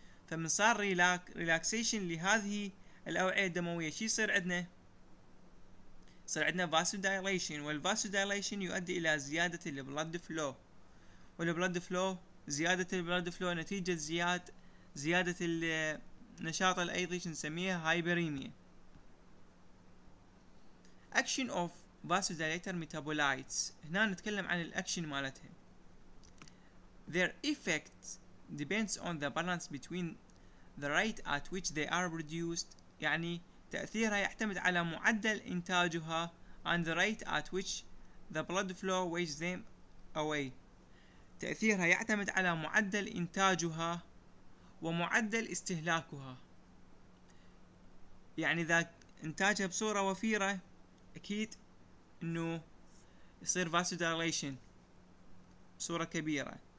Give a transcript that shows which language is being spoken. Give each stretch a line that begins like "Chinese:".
Arabic: فمن صار ريلاكسيشن لهذه الأوعية الدموية، شي يصير عندنا؟ صار عندنا فاسو دايليشن، والفاسو دايليشن يؤدي إلى زيادة البلد فلو، والبلد فلو زيادة البلد فلو نتيجة زيادة النشاط الأيضي نسميها هايبريميا.
English: Action of vasodilator metabolites،
Arabic: هنا نتكلم عن الأكشن مالتها.
English: Their effect depends on the balance between the rate at which they are produced،
Arabic: يعني تأثيرها يعتمد على معدل إنتاجها
English: and the rate at which the blood flow wastes them away.
Arabic: تأثيرها يعتمد على معدل إنتاجها ومعدل استهلاكها، يعني إذا إنتاجها بصورة وفيرة أكيد إنه يصير vasodilation بصورة كبيرة.